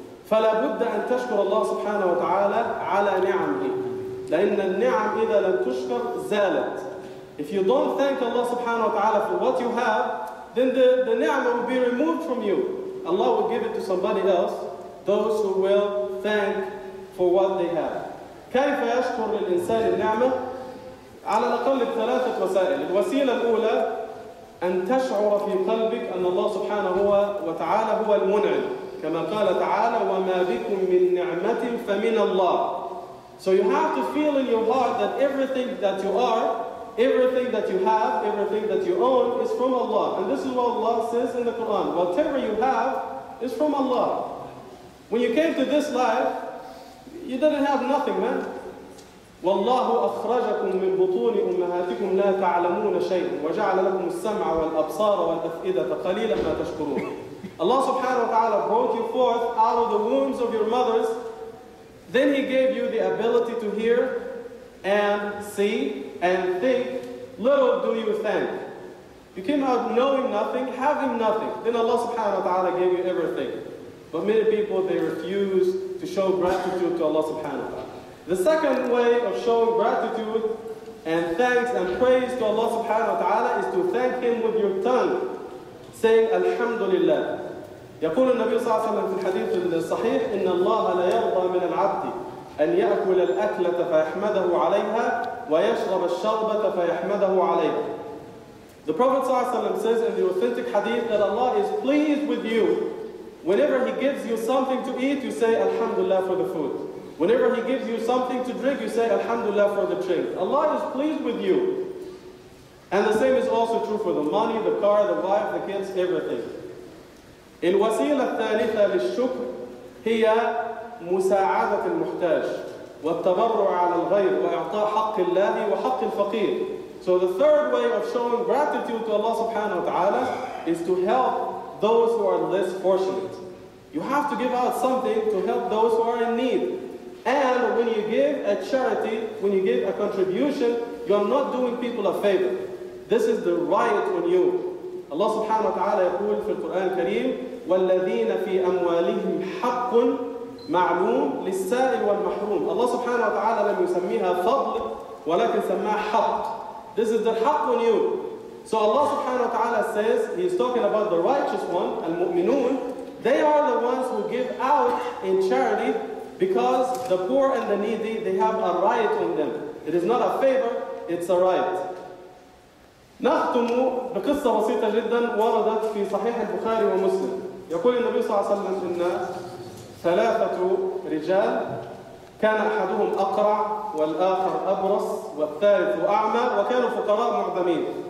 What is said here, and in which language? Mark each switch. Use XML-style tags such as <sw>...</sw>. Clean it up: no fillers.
<ar>فَلَا بُدَّ أَن تَشْكُرَ اللَّهُ سُبْحَانَهُ وَتَعَالَى عَلَى نِعَمْهِ لَإِنَّ النِّعَمْ إِذَا لَمْ تُشْكَرْ زَالَتْ.</ar> <en>If you don't thank Allah subhanahu wa ta'ala for what you have, then the ni'mah will be removed from you. Allah will give it to somebody else, those who will thank for what they have.</en> <ar>كيف يشكر الإنسان النعمة؟ على الأقل ثلاثة وسائل. الوسيلة الأولى أن تشعر في قلبك أن الله سبحانه وتعالى هو المنعم. كما قال تعالى وما بكم من نعمة فمن الله.</ar> <en>So you have to feel in your heart that everything that you are, everything that you have, everything that you own is from Allah. And this is what Allah says in the Quran. Whatever you have is from Allah. When you came to this life, you didn't have nothing, man.</en> <ar>وَاللَّهُ أَخْرَجَكُمْ مِنْ بُطُونِ أُمَّهَاتِكُمْ لَا تَعْلَمُونَ شَيْءٍ وَجَعَلَ لَكُمُ السَّمْعَ وَالْأَبْصَارَ وَالْأَفْئِدَةَ قَلِيلًا مَا تَشْكُرُونَ.</ar> <en>Allah subhanahu wa ta'ala brought you forth out of the wombs of your mothers. Then He gave you the ability to hear and see and think, little do you thank. You came out knowing nothing, having nothing. Then Allah subhanahu wa ta'ala gave you everything. But many people, they refuse to show gratitude to Allah subhanahu wa ta'ala. The second way of showing gratitude and thanks and praise to Allah subhanahu wa ta'ala is to thank Him with your tongue. saying Alhamdulillah.</en> <ar>يقول النبي صلى الله عليه وسلم في الحديث الصحيح إن الله لا يرضى من العبد أن يأكل الأكلة فيحمده عليها ويشرب الشربة فيحمده عليها.</ar> <en>The Prophet صلى الله عليه وسلم says in the authentic hadith that Allah is pleased with you whenever He gives you something to eat, you say Alhamdulillah for the food. Whenever He gives you something to drink, you say Alhamdulillah for the drink. Allah is pleased with you. And the same is also true for the money, the car, the wife, the kids, everything.</en> <ar>الوسيلة الثالثة للشكر هي مساعدة المحتاج والتبرع على الغير وإعطاء حق الله وحق الفقير.</ar> <en>So the third way of showing gratitude to Allah subhanahu wa ta'ala is to help those who are less fortunate. You have to give out something to help those who are in need. And when you give a charity, when you give a contribution, you are not doing people a favor. This is the right on you.</en> <ar>Allah subhanahu wa ta'ala يقول في القرآن الكريم والذين في أموالهم حق معلوم للسائل والمحروم. Allah subhanahu wa ta'ala لم يسميها فضل ولكن سماها حق.</ar> <en>This is the حق on you. So Allah subhanahu wa ta'ala says, He's talking about the righteous one, المؤمنون. They are the ones who give out in charity because the poor and the needy, they have a right on them. It is not a favor, it's a right.</en> <ar>نختم بقصة بسيطة جدا وردت في صحيح البخاري ومسلم. يقول النبي صلى الله عليه وسلم إن ثلاثة رجال كان أحدهم أقرع والآخر أبرص والثالث أعمى وكانوا فقراء معدمين.</ar>